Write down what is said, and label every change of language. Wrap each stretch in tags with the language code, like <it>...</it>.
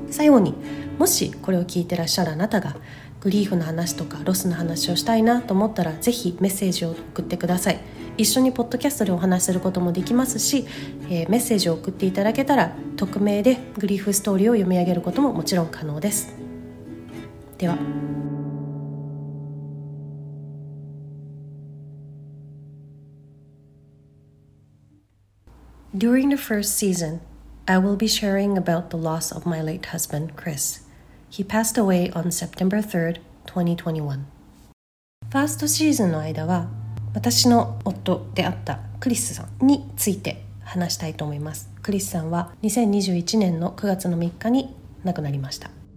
<ja>最後に、もしこれを聞いてらっしゃるあなたがグリーフの話とかロスの話をしたいなと思ったら、ぜひメッセージを送ってください。一緒にポッドキャストでお話しすることもできますし、メッセージを送っていただけたら匿名でグリーフストーリーを読み上げることももちろん可能です。では、</ja> <en>During the first season, I will be sharing about the loss of my late husband, Chris. He passed away on September 3rd, 2021.</en> <ja>ファーストシーズンの間は、私の夫であったクリスさんについて話したいと思います。クリスさんは2021年の9月の3日に亡くなりました。</ja>